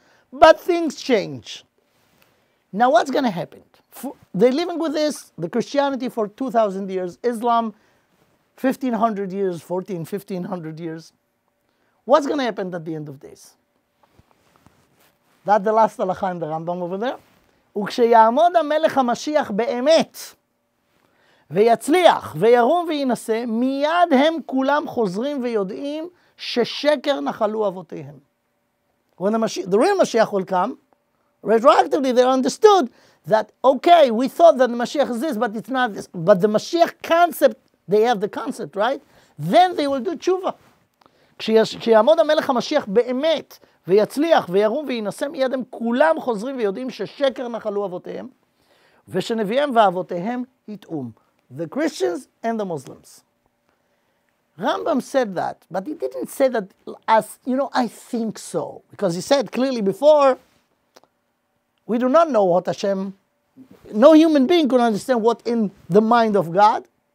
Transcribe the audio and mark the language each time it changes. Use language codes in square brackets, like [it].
[en] But things change. Now, what's going to happen? They're living with this, the Christianity for 2,000 years, Islam 1,500 years, 1,500 years. What's going to happen at the end of this? That the last halacha in the Rambam over there? [he] וכשיעמוד המלך המשיח באמת ויצליח וירום וינסה, מיד הם כולם חוזרים ויודעים ששקר נחלו אבותיהם. [en] When the real Mashiach will come, retroactively they understood that, okay, we thought that the Mashiach is this, but it's not this. But the Mashiach concept, they have the concept, right? Then they will do תשובה. [he] כשיעמוד המלך המשיח באמת, ויצליח וירום וינסה מיד הם כולם חוזרים ויודעים ששקר נחלו אבותיהם ושנביאם ואבותיהם יתאום. [en] The Christians and the Muslims. Rambam said that, but he didn't say that as, you know, I think so. Because he said clearly before, we do not know what Hashem, no human being could understand what in the mind of God.